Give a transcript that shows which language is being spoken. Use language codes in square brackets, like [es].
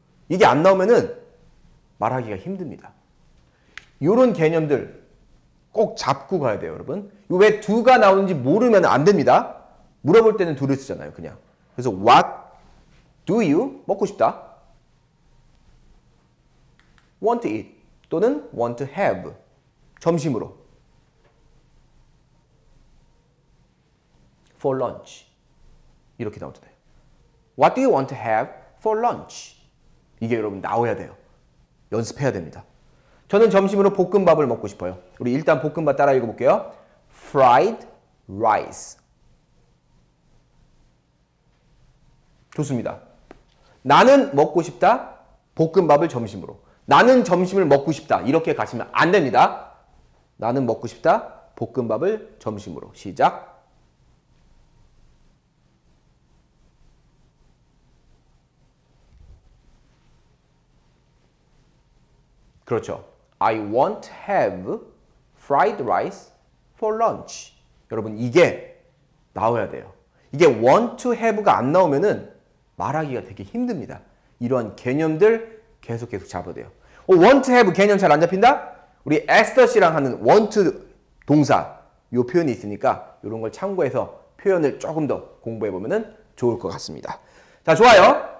[ko] 이게 안 나오면은 말하기가 힘듭니다. 요런 개념들 꼭 잡고 가야 돼요, 여러분. 이거 왜 두가 나오는지 모르면 안 됩니다. 물어볼 때는 두를 쓰잖아요, 그냥. 그래서 [en] what do you [ko] 먹고 싶다? [en] want to eat [ko] 또는 [en] want to have [ko] 점심으로 [en] for lunch [ko] 이렇게 나오면 돼요. [en] What do you want to have for lunch? [ko] 이게 여러분 나와야 돼요. 연습해야 됩니다. 저는 점심으로 볶음밥을 먹고 싶어요. 우리 일단 볶음밥 따라 읽어볼게요. [en] Fried rice. [ko] 좋습니다. 나는 먹고 싶다. 볶음밥을 점심으로. 나는 점심을 먹고 싶다. 이렇게 가시면 안 됩니다. 나는 먹고 싶다. 볶음밥을 점심으로. 시작. [en] I won't have fried rice for lunch. [ko] 여러분 이게 나와야 돼요. 이게 [en] want to have [ko] 가 안 나오면은 말하기가 되게 힘듭니다. 이러한 개념들 계속 잡아야 돼요. [en] Want to have [ko] 개념 잘 안 잡힌다? 우리 에스터 씨랑 하는 want 동사 이 표현이 있으니까 이런 걸 참고해서 표현을 조금 더 공부해보면은 좋을 것 같습니다. 자 좋아요.